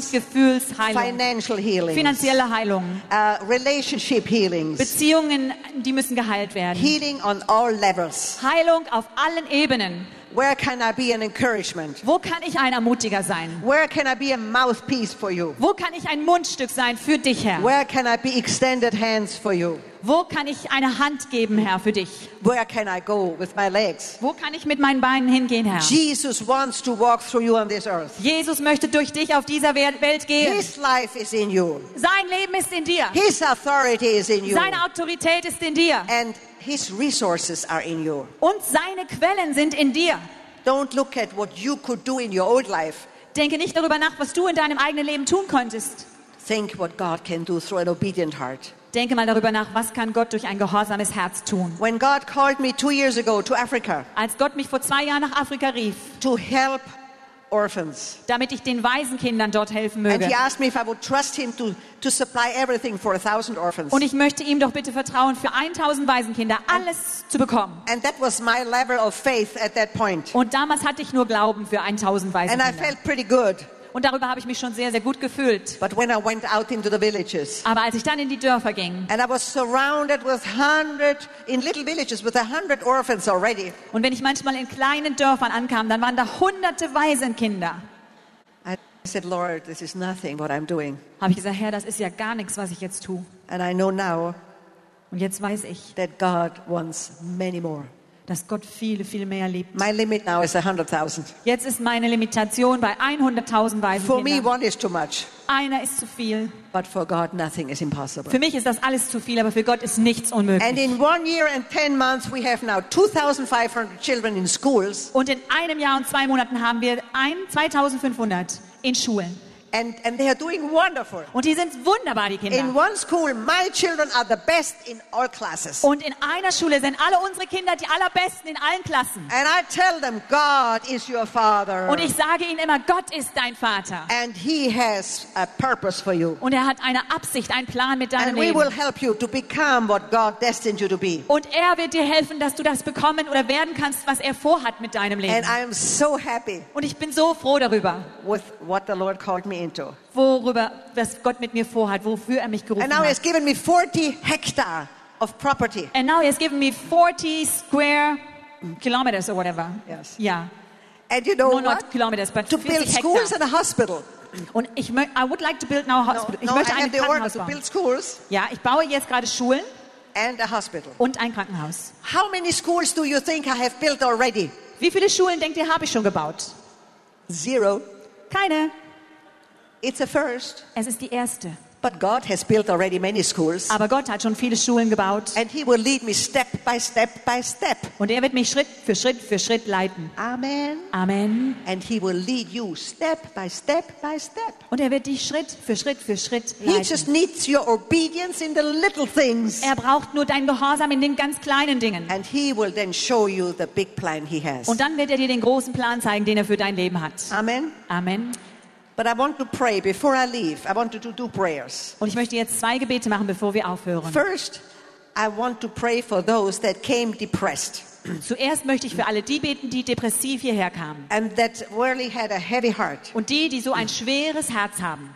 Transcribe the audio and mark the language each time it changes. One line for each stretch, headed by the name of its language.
German: Und Gefühlsheilung.
English: Financial healings.
German: Finanzielle Heilung.
English: Relationship healings.
German: Beziehungen, die müssen geheilt werden.
English: Healing on all levels.
German: Heilung auf allen Ebenen.
English: Where can I be an encouragement?
German: Wo kann ich ein Ermutiger sein?
English: Where can I be a mouthpiece for you?
German: Wo kann ich ein Mundstück sein für dich, Herr?
English: Where can I be extended hands for you?
German: Wo kann ich eine Hand geben, Herr, für dich?
English: Where can I go with my legs?
German: Wo kann ich mit meinen Beinen hingehen, Herr?
English: Jesus wants to walk through you on this earth.
German: Jesus möchte durch dich auf dieser Welt gehen.
English: His life is in you.
German: Sein Leben ist in dir.
English: His authority is in you.
German: Seine Autorität ist in dir.
English: And His resources are in you.
German: Und seine Quellen sind in dir.
English: Don't look at what you could do in your old life.
German: Denke nicht darüber nach, was du in deinem eigenen Leben tun könntest.
English: Think what God can do through an obedient heart.
German: Denke mal darüber nach, was kann Gott durch ein gehorsames Herz tun?
English: When God called me 2 years ago to Africa.
German: Als Gott mich vor 2 Jahren nach Afrika rief.
English: To help orphans.
German: Damit ich den Waisenkindern dort helfen möge.
English: And he asked me if I would trust him to supply everything for 1,000 orphans.
German: Und ich möchte ihm doch bitte vertrauen, für 1,000 Waisenkinder alles zu bekommen.
English: And that was my level of faith at that point.
German: Und damals hatte ich nur Glauben für 1,000 Waisenkinder.
English: And I felt pretty good.
German: Und darüber habe ich mich schon sehr, sehr gut gefühlt.
English: But when I went out into the villages,
German: aber als ich dann in die Dörfer ging,
English: and I was surrounded with 100 in little villages with 100 orphans already.
German: Und wenn ich manchmal in kleinen Dörfern ankam, dann waren da hunderte Waisenkinder.
English: I said, Lord, this is nothing what I'm doing.
German: Habe ich gesagt, Herr, das ist ja gar nichts, was ich jetzt tue.
English: And I know now,
German: und jetzt weiß ich,
English: that God wants many more.
German: Dass Gott viel, viel mehr liebt.
English: My limit now is 100,000.
German: Jetzt ist meine Limitation bei 100,000 Waisenkindern.
English: For me, one is too much.
German: Einer ist zu viel.
English: But for God, nothing is impossible.
German: Für mich ist das alles zu viel, aber für Gott ist nichts unmöglich.
English: And in 1 year and 10 months, we have now 2,500 children in schools.
German: Und in einem Jahr und 2 Monaten haben wir 2,500 in Schulen.
English: And they are doing wonderful.
German: Und die sind wunderbar, die Kinder.
English: In one school, my children are the best in all classes.
German: Und in einer Schule sind alle unsere Kinder die allerbesten in allen Klassen.
English: And I tell them, God is your father.
German: Und ich sage ihnen immer, Gott ist dein Vater.
English: And he has a purpose for you.
German: Und er hat eine Absicht, einen Plan mit deinem Leben.
English: And we will help you to become what God destined you to be.
German: Und er wird dir helfen, dass du das bekommen oder werden kannst, was er vorhat mit deinem Leben.
English: And I am so happy.
German: Und ich bin so froh darüber.
English: With what the Lord called me.
German: Worüber, was Gott mit mir vorhat, wofür er mich gerufen hat.
English: And now he has given me 40 hectares of property. And now he has given me 40 square kilometers or whatever. Yes. Yeah. And you know no, not kilometers, but to build schools and a hospital.
German: Und ich
English: I would like to build now a hospital. No,
German: ich möchte
English: I have the order to build schools.
German: Ja, ich baue jetzt gerade Schulen.
English: And a hospital.
German: Und ein Krankenhaus.
English: How many schools do you think I have built already?
German: Wie viele Schulen denkt ihr habe ich schon gebaut?
English: Zero.
German: Keine.
English: It's a first.
German: Es ist die erste.
English: But God has built already many schools.
German: Aber Gott hat schon viele Schulen gebaut.
English: And he will lead me step by step by step.
German: Und er wird mich Schritt für Schritt für Schritt leiten.
English: Amen.
German: Amen.
English: And he will lead you step by step by step.
German: Und er wird dich Schritt für Schritt für Schritt
English: he
German: leiten.
English: He just needs your obedience in the little things.
German: Er braucht nur dein Gehorsam in den ganz kleinen Dingen.
English: And he will then show you the big plan he has.
German: Und dann wird er dir den großen Plan zeigen, den er für dein Leben hat.
English: Amen.
German: Amen.
English: But I want to pray before I leave. I want to do prayers.
German: Und ich möchte jetzt 2 Gebete machen, bevor wir aufhören.
English: First, I want to pray for those that came depressed.
German: Zuerst möchte ich für alle die beten, die depressiv hierher kamen.
English: And that really had a heavy heart.
German: Und die, die so ein schweres Herz haben.